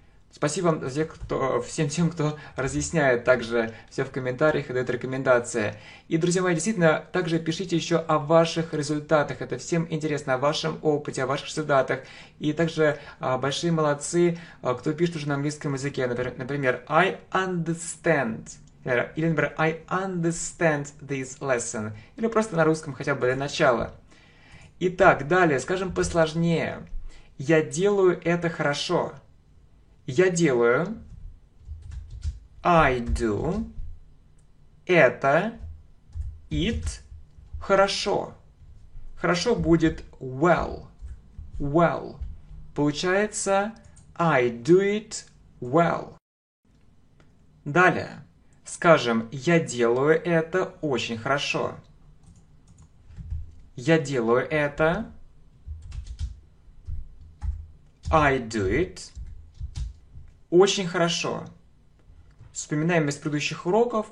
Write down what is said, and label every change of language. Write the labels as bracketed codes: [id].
[ru] Спасибо вам всем тем, кто разъясняет также все в комментариях и дает рекомендации. И, друзья мои, действительно, также пишите еще о ваших результатах. Это всем интересно, о вашем опыте, о ваших результатах. И также большие молодцы, кто пишет уже на английском языке. Например, [en] I understand. [ru] Или, например, [en] I understand this lesson. [ru] Или просто на русском хотя бы для начала. Итак, далее, скажем посложнее. Я делаю это хорошо. Я делаю [en] I do. [ru] Это it хорошо. Хорошо будет well. [en] Well. [ru] Получается [en] I do it well. [ru] Далее. Скажем, я делаю это очень хорошо. Я делаю это. [en] I do it. [ru] Очень хорошо. Вспоминаем из предыдущих уроков.